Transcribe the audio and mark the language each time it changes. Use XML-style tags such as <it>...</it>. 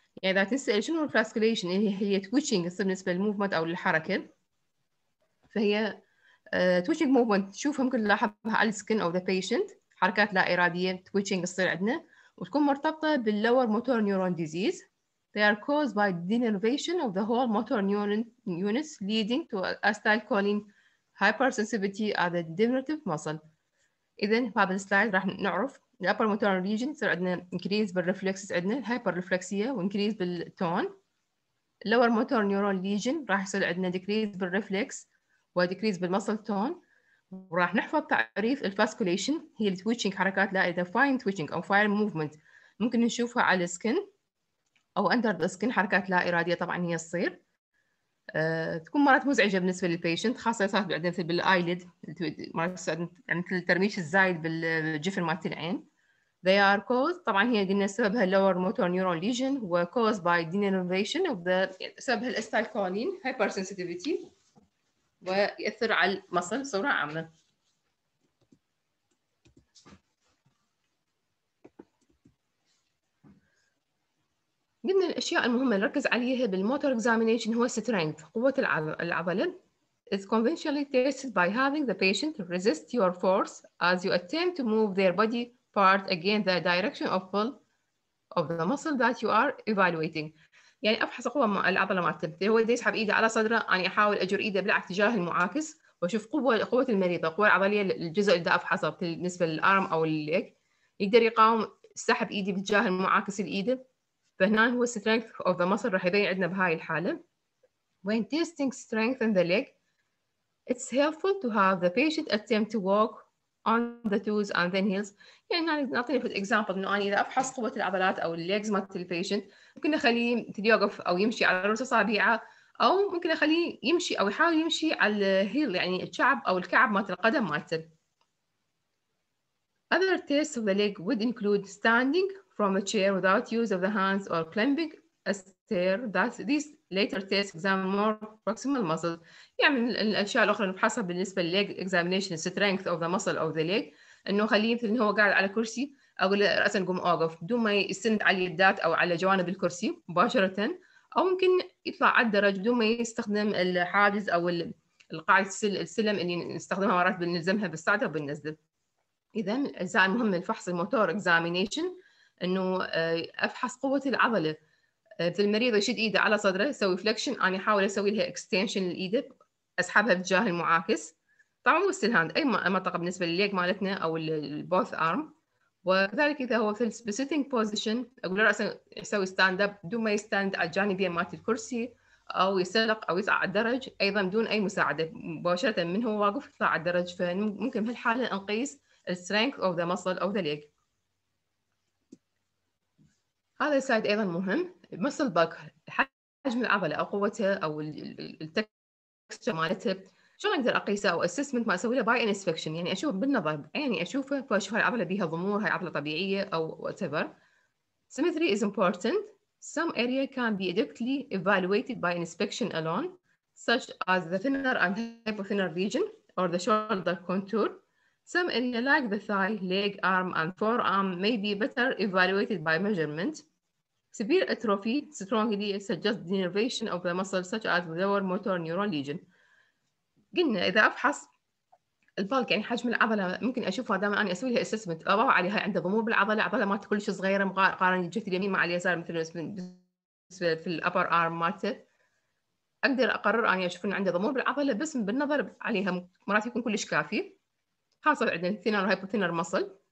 <ar>يعني اذا تسال شنو الفاسكوليشن، هي تويتشنج بالنسبه للموفمنت او للحركه، فهي</ar> <en>twitching movement</en> <ar>تشوفها ممكن نلاحظها على السكن او ذا بيشنت، حركات لا اراديه twitching تصير عندنا وتكون مرتبطه باللور موتور نيورون ديزيز.</ar> <en>They are caused by denervation of the whole motor neuron units leading to acetylcholine hypersensitivity of the degenerative muscle.</en> <ar>اذا بهذا السلايد راح نعرف the upper motor region تصير عندنا increase بالreflexes عندنا الهايبر ريفلكسيه وincrease بالتون. اللور موتور نيورون ليجن راح يصير عندنا decrease بالreflexes وديكريز بالمسل تون. وراح نحفظ تعريف الفاسكوليشن، هي التويتشنج حركات لا اذا فاين تويتشنج او فاين موفمنت ممكن نشوفها على السكن او اندر ذا سكن، حركات لا اراديه طبعا هي تصير، تكون مرات مزعجه بالنسبه للبيشنت، خاصه اذا صارت بعدين مثل بالايليد مرات يعني مثل الترميش الزايد بالجفن مالت العين.</ar> <en>They are caused</en> <ar>طبعا هي قلنا سببها</ar> <en>lower motor neuron lesion و caused by denervation of the</en> <ar>سببها الاستايكولين</ar> <en>hypersensitivity</en> <ar>ويأثر على المصل بصورة عامة. قلنا الأشياء المهمة اللي ركز عليها بالموتور examination هو strength، قوة العضلة.</ar> <en>It's conventionally tested by having the patient resist your force as you attempt to move their body part against the direction of pull of the muscle that you are evaluating.</en> <ar>يعني افحص قوه العضله مالته، هو يسحب ايده على صدره، اني يعني احاول اجر ايده بالعكس اتجاه المعاكس واشوف قوه المريضه، القوه العضليه الجزء اللي افحصه بالنسبه للارم او الليك، يقدر يقاوم سحب ايدي باتجاه المعاكس الايده. فهنا هو</ar> <en>strength of the muscle</en> <ar>راح يبين عندنا بهاي الحاله.</ar> <en>When testing strength in the leg, it's helpful to have the patient attempt to walk on the toes and then heels.</en> <ar>يعني نعطيني في الاكزامبل انه انا اذا افحص قوه العضلات او الليجز مالت البيشنت، ممكن اخليه يوقف او يمشي على رؤوس اصابعه، او ممكن اخليه يمشي او يحاول يمشي على الهيل يعني الشعب او الكعب مالت القدم مالته.</ar> <en>Other tests of the leg would include standing from a chair without use of the hands or climbing a stair. That's these later tests examine more proximal muscles.</en> <ar>يعني من الاشياء الاخرى اللي نفحصها بالنسبه للليج</ar> <en>examination strength of the muscle of the leg،</en> <ar>انه خليه مثل انه هو قاعد على كرسي، اقول له راسا قوم اوقف بدون ما يستند على اليدات او على جوانب الكرسي مباشره، او ممكن يطلع على الدرج بدون ما يستخدم الحاجز او القاعده السلم اللي نستخدمها مرات بنلزمها بالصعدة وبالنزل. اذا الاجزاء المهمه لفحص الموتور examination انه افحص قوه العضله، في المريض يشد ايده على صدره يسوي فليكشن، انا احاول اسوي لها اكستنشن للايده اسحبها باتجاه المعاكس، طبعا مو ستيل هاند اي منطقه بالنسبه للليج مالتنا او البوث ارم. وكذلك إذا هو في</ar> <en>sitting position</en> <ar>أقول له رأساً يسوي</ar> <en>stand up</en> <ar>دون ما يستند على جانبي مات الكرسي أو يسلق أو يصعد الدرج أيضاً دون أي مساعدة مباشرة من هو واقف يطلع على الدرج. فممكن في هالحالة نقيس</ar> <en>strength of the muscle of the leg.</en> <ar>هذا السايد أيضاً مهم</ar> <en>muscle bulk</en> <ar>حجم العضلة أو قوتها أو التكستشر مالتها. شو نقدر أقيسه أو assessment ما أسوي له</ar> <en>by inspection</en> <ar>يعني أشوف بالنظر يعني أشوفه فأشوف هاي العضلة بيها ضمور هاي عضلة طبيعية أو whatever.</ar> <en>Symmetry is important. Some area can be directly evaluated by inspection alone, such as the thinner and hypothinner region or the shoulder contour. Some area like the thigh, leg, arm, and forearm may be better evaluated by measurement. Severe atrophy strongly suggests denervation of the muscle, such as the lower motor neuron region.</en> <ar>قلنا إذا أفحص البالك يعني حجم العضلة ممكن أشوفها دائما أنا أسوي لها assessment أضعه عليها عنده ضمور بالعضلة عضلة ما تكلش صغيرة مقارنة جهة اليمين مع اليسار مثل في الأبر آرم مالته أقدر أقرر أني أشوف أنه عنده ضمور بالعضلة بس بالنظر عليها مرات يكون كلش كافي خاصة عندنا</ar> <en>thinner hypothinner muscle.</en>